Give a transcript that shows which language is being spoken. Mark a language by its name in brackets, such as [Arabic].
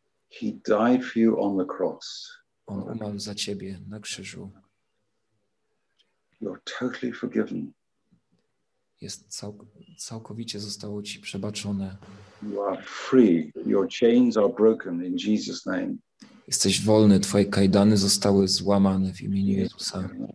[English] He died for you on the cross. [Polish] On umarł za Ciebie na krzyżu. [English] You're totally forgiven. [Polish] Jest całkowicie zostało Ci przebaczone. [English] You are free. Your chains are broken in Jesus' name. [Polish] Jesteś wolny, twoje kajdany zostały złamane w imieniu Jezusa.